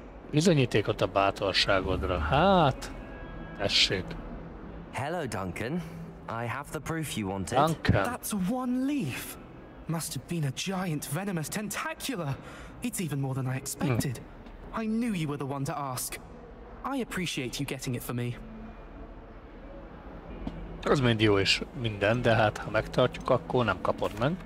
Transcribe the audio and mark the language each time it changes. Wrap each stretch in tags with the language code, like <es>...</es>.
<hu>Bizonyítékot a bátorságodra. Hát, tessék.</hu> <en>Hello, Duncan. I have the proof you wanted. Duncan. That's one leaf. Must have been a giant venomous tentacular. It's even more than I expected. I knew you were the one to ask. I appreciate you getting it for me.</en> <hu>Az mind jó és minden, de hát ha megtartjuk, akkor nem kapod meg.</hu>